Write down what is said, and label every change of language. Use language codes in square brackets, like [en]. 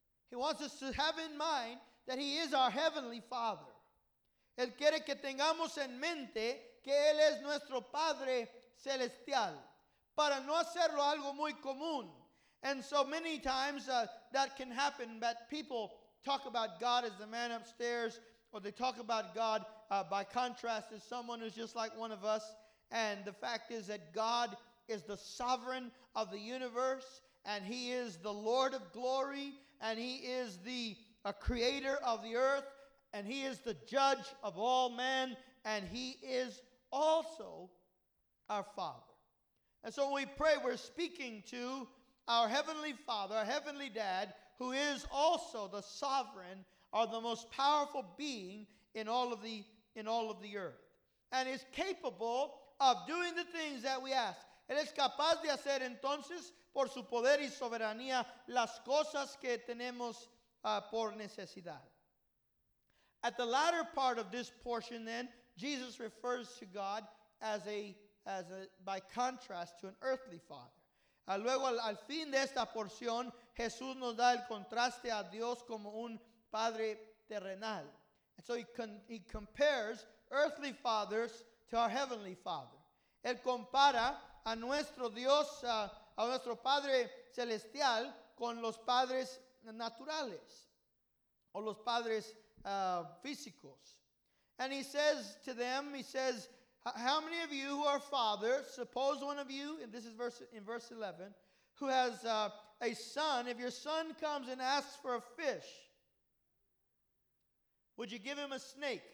[en] He wants us to have in mind that he is our Heavenly Father. [es] Él quiere que tengamos en mente que él es nuestro Padre Celestial. Para no hacerlo algo muy común. [en] And so many times that can happen, that people talk about God as the man upstairs, or they talk about God by contrast as someone who's just like one of us. And the fact is that God is the sovereign of the universe, and he is the Lord of glory, and he is the creator of the earth, and he is the judge of all men, and he is also our Father. And so when we pray, we're speaking to our Heavenly Father, our Heavenly Dad, who is also the sovereign are the most powerful being in all of the earth. And is capable of doing the things that we ask. [es] Él es capaz de hacer entonces, por su poder y soberanía, las cosas que tenemos por necesidad. [en] At the latter part of this portion then, Jesus refers to God as a by contrast to an earthly father. [es] Luego al fin de esta porción, Jesús nos da el contraste a Dios como un Padre terrenal. [en] And so he compares earthly fathers to our Heavenly Father. [es] Él compara a nuestro Dios, a nuestro Padre Celestial con los padres naturales o los padres físicos. [en] And he says to them, he says, how many of you who are fathers, suppose one of you, and this is verse 11, who has a son, if your son comes and asks for a fish, would you give him a snake?